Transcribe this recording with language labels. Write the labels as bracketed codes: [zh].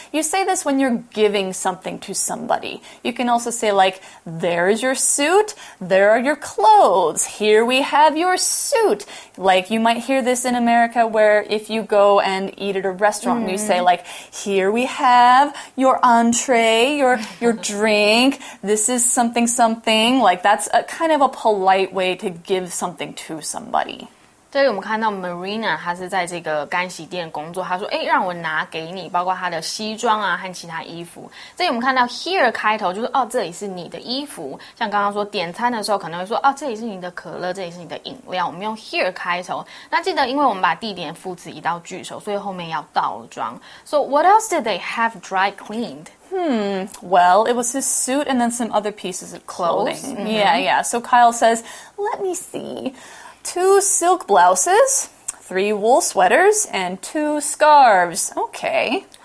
[en] You say this when you're giving something to somebody. You can also say like, there is your suit, there are your clothes, here we have your suit. Like you might hear this in America where if you go and eat at a restaurant, you say like, here we have your entree, your drink, this is something, something. Like that's a kind of a polite way to give something to somebody. [zh] 对，我们看到 Marina 她是在这个干洗店工作，她说，哎，让我拿给你，包括她的西装啊和其他衣服。这里我们看到 here 开头就是，哦，这里是你的衣服。像刚刚说点餐的时候可能会说，哦，这里是你的可乐，这里是你的饮料，我们用 here 开头。那记得因为我们把地点副词移到句首，所以后面要倒装。 [en] So what else did they have dry cleaned? Well, it was his suit and then some other pieces of clothing. Mm-hmm. Yeah, yeah. So Kyle says, let me see. Two silk blouses, three wool sweaters, and two scarves. Okay.